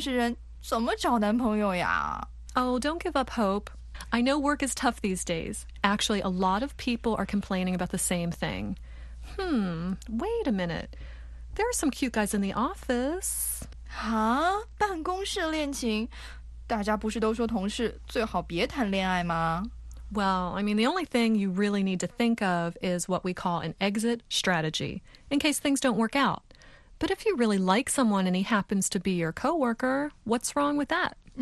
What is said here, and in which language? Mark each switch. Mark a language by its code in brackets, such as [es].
[zh] 现在天天工作十个小时，我都没时间出去认识人，怎么找男朋友呀？ [en] Oh, don't give up hope. I know work is tough these days. Actually, a lot of people are complaining about the same thing. Wait a minute. There are some cute guys in the office. [zh] Huh? 办公室恋情? 大家不是都说同事最好别谈恋爱吗？ [en] Well, I mean, the only thing you really need to think of is what we call an exit strategy, in case things don't work out. But if you really like someone and he happens to be your coworker, what's wrong with that?